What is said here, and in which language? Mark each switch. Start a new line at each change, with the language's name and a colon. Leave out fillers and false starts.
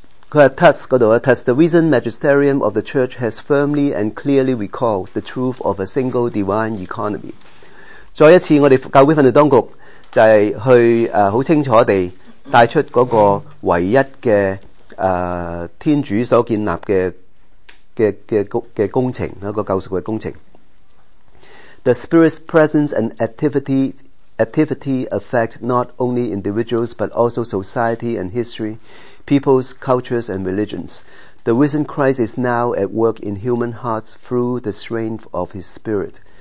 Cantonese: 佢話
English: Thus
Cantonese: 嗰度啊
English: ，Thus the recent magisterium of the Church has firmly and clearly recalled the truth of a single divine economy。
Cantonese: 再一次，我哋教會訓導當局就係去好清楚地帶出那個唯一的、天主所建立 的工程，一個救贖的工程。
English: The Spirit's presence and activity affect not only individuals but also society and history, peoples, cultures and religions. The risen Christ is now at work in human hearts through the strength of His Spirit.